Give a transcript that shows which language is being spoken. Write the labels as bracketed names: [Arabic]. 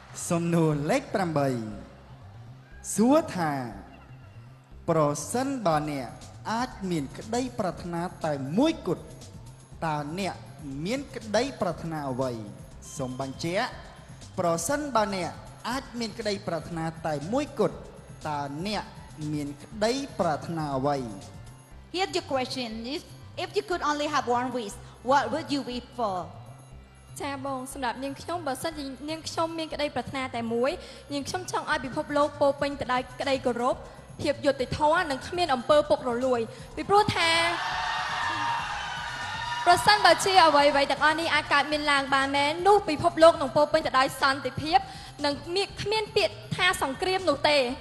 [Khmer] សំណួរលេខ8សួរថាប្រសិនបើអ្នកអាចមានក្តីប្រាថ្នាតែមួយគត់តើអ្នកមានក្តីប្រាថ្នាអ្វីសូមបញ្ជាក់ប្រសិនបើអ្នកអាចមានក្តីប្រាថ្នាតែមួយគត់តើអ្នកមានក្តីប្រាថ្នាអ្វី [English] Here's your question is if you could only have one wish what would you wish for [Khmer] ចាបងសម្រាប់នាងខ្ញុំបើសិនជានាងខ្ញុំមានក្តីប្រាថ្នាតែមួយនាងខ្ញុំចង់ឲ្យពិភពលោកពោពេញទៅដោយក្តីគោរពភាពយុត្តិធម៌នឹងគ្មានអំពើពុករលួយពីព្រោះថាប្រសិនបើជាអ្វីៗទាំងអស់នេះអាចកើតមានឡើងបានមែននោះពិភពលោកនឹងពោពេញទៅដោយសន្តិភាពនិងគ្មានពាក្យថាសង្គ្រាមនោះទេ